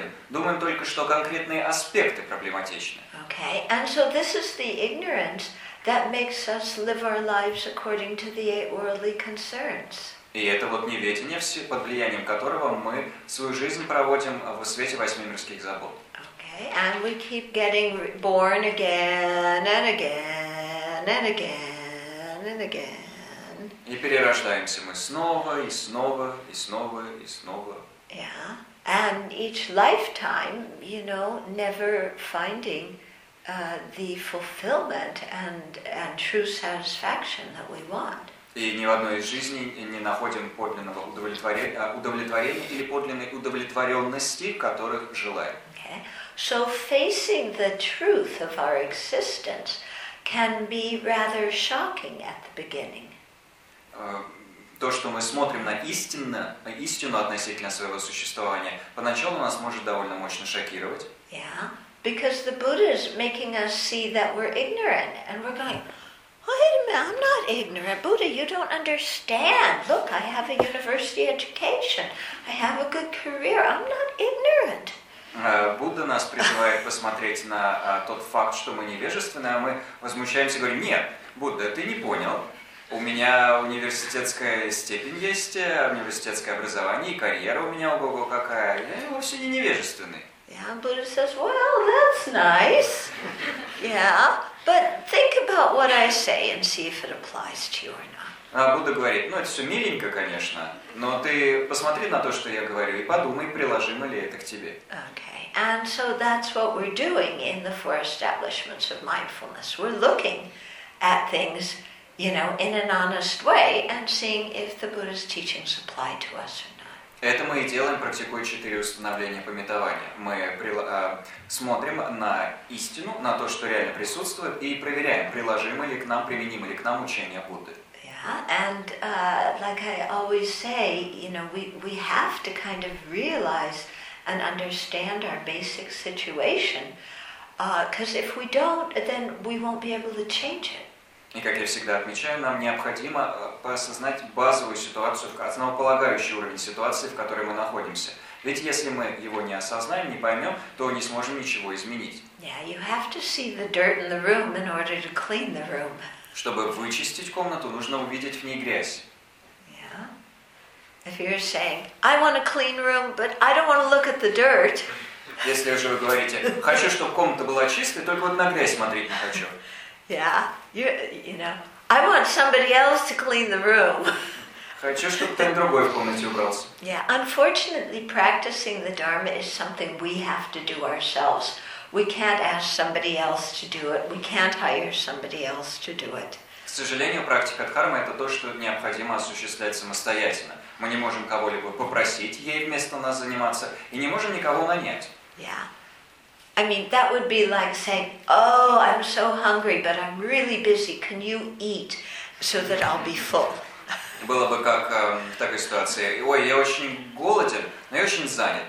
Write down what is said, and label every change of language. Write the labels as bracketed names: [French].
[Russian] Думаем только, что конкретные аспекты проблематичны. [English] Okay, and so this is the ignorance that makes us live our lives according to the eight worldly concerns. [Russian] И это вот неведение, под влиянием которого мы свою жизнь проводим в свете восьми мирских забот. [English] Okay. Okay, and we keep getting born again and again and again and again. [Russian] И перерождаемся мы снова и снова и снова и снова. [English] Yeah, and each lifetime, you know, never finding the fulfillment and true satisfaction that we want. [Russian] И ни в одной из жизней не находим подлинного удовлетворения или подлинной удовлетворенности, которых желаем. [English] Okay. So facing the truth of our existence can be rather shocking at the beginning. [Russian] То, что мы смотрим на истину относительно своего существования, поначалу нас может довольно мощно шокировать. [English] Yeah, because the Buddha is making us see that we're ignorant, and we're going, wait a minute, I'm not ignorant. Buddha, you don't understand. Look, I have a university education. I have a good career. I'm not ignorant. [Russian] Будда нас призывает посмотреть на тот факт, что мы невежественны, а мы возмущаемся и говорим, нет, Будда, ты не понял. У меня университетская степень есть, университетское образование, и карьера у меня, ого-го, какая. Я вовсе не невежественный. [English] Yeah, Buddha says, well, that's nice. Yeah. But think about what I say and see if it applies to you or not. [Russian] Будда говорит, ну это все миленько, конечно, но ты посмотри на то, что я говорю, и подумай, приложимо ли это к тебе. [English] Okay. And so that's what we're doing in the four establishments of mindfulness. We're looking at things, you know, in an honest way and seeing if the Buddha's teachings apply to us or not. [Russian] Это мы и делаем, практикуя четыре установления памятования. Мы смотрим на истину, на то, что реально присутствует, и проверяем, приложимо ли к нам, применимо ли к нам учение Будды. [English] Yeah, and like I always say, you know, we have to kind of realize and understand our basic situation, because if we don't, then we won't be able to change it. [Russian] И как я всегда отмечаю, нам необходимо осознать базовую ситуацию, основополагающий уровень ситуации, в которой мы находимся. Ведь если мы его не осознаем, не поймем, то не сможем ничего изменить. [English] Yeah, you have to see the dirt in the room in order to clean the room. [Russian] Чтобы вычистить комнату, нужно увидеть в ней грязь. [English] Yeah. If you're saying, I want a clean room, but I don't want to look at the dirt. [Russian] Если уже вы говорите, хочу, чтобы комната была чистой, только вот на грязь смотреть не хочу. [English] Yeah, you know, I want somebody else to clean the room. [Russian] Хочу, чтобы кто-то другой в комнате убрался. [English] Yeah, unfortunately, practicing the Dharma is something we have to do ourselves. We can't ask somebody else to do it. We can't hire somebody else to do it. [Russian] К сожалению, практика дхармы — это то, что необходимо осуществлять самостоятельно. Мы не можем кого-либо попросить ей вместо нас заниматься, и не можем никого нанять. [English] Yeah. I mean, that would be like saying, oh, I'm so hungry, but I'm really busy. Can you eat so that I'll be full? [Russian] Было бы как в такой ситуации, ой, я очень голоден, но я очень занят.